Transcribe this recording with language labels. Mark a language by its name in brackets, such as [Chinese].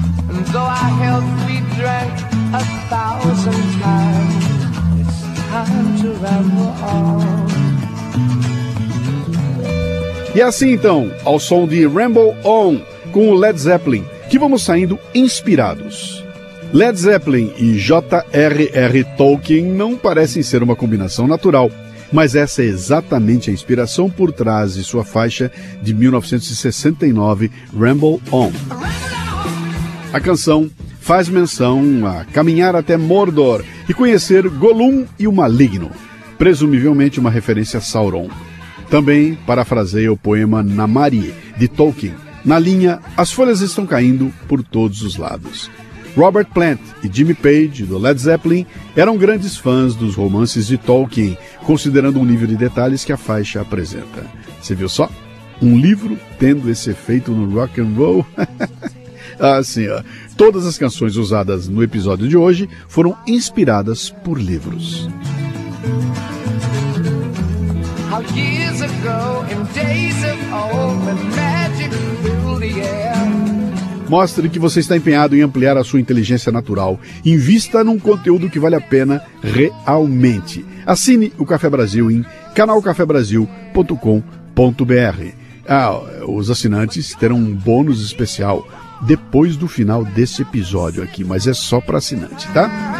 [English] And though I held sweet drink a thousand times, it's time to ramble on. [Portuguese] E assim então, ao som de Ramble On, com o Led Zeppelin, que vamos saindo inspirados. Led Zeppelin e J.R.R. Tolkien não parecem ser uma combinação natural, mas essa é exatamente a inspiração por trás de sua faixa de 1969, Ramble On. A canção faz menção a caminhar até Mordor e conhecer Gollum e o Maligno, presumivelmente uma referência a Sauron. Também parafraseia o poema Namari, de Tolkien, na linha As folhas estão caindo por todos os lados. Robert Plant e Jimmy Page, do Led Zeppelin, eram grandes fãs dos romances de Tolkien, considerando o nível de detalhes que a faixa apresenta. Você viu só? Um livro tendo esse efeito no rock and roll? Ah, sim, ó. Todas as canções usadas no episódio de hoje foram inspiradas por livros. I [English] how years ago in days of old when magic filled the air. [Portuguese] Mostre que você está empenhado em ampliar a sua inteligência natural. Invista num conteúdo que vale a pena realmente. Assine o Café Brasil em canalcafebrasil.com.br. Ah, os assinantes terão um bônus especial depois do final desse episódio aqui, mas é só para assinante, tá?